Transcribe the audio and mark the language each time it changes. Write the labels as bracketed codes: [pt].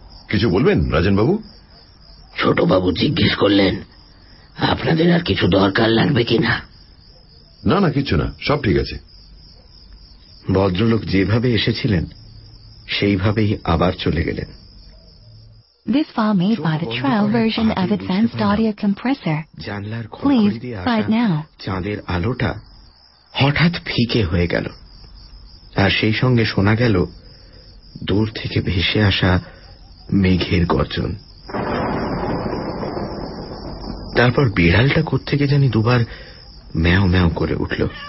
[bn] কিছু বলবেন রাজেনবাবু? ছোটবাবু জিজ্ঞেস করলেন, আপনাদের আর কিছু দরকার লাগবে কিনা? না না কিছু না, সব ঠিক আছে। ভদ্রলোক যেভাবে এসেছিলেন সেইভাবেই আবার চলে গেলেন। [en] This farm made by the trial version of advanced audio compressor. [bn] জানলার খুলে দিয়ে চাঁদের আলোটা হঠাৎ ফিকে হয়ে গেল, আর সেই সঙ্গে শোনা গেল দূর থেকে ভেসে আসা মেঘের গর্জন। তারপর বিড়ালটা কোত্থেকে জানি দুবার ম্যাও ম্যাও করে উঠল।